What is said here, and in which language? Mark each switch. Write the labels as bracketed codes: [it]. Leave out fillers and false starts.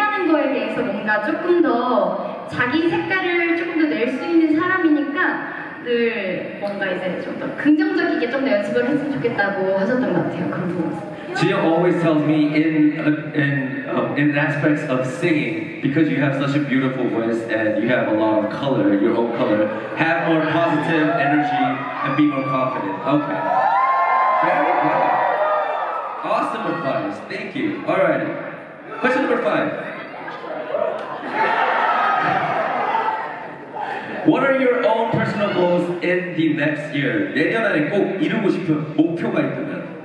[ko] 거에 대해서 뭔가 조금 더 자기 색깔을 조금 더 낼 수 있는 사람이니까 늘 뭔가 이제 좀 더 긍정적이게 좀 더 연습을 했으면 좋겠다고 하셨던 것 같아요. 그런 부분. [en] Gio always tells me in aspects of singing, because you have such a beautiful voice and you have a lot of color, your own color, have more positive energy and be more confident. Okay. Very good. Awesome advice. Thank you. Alrighty. Question number five. What are your own personal goals in the next year? [ko] 내년 안에 꼭 이루고 싶은 목표가 있다면?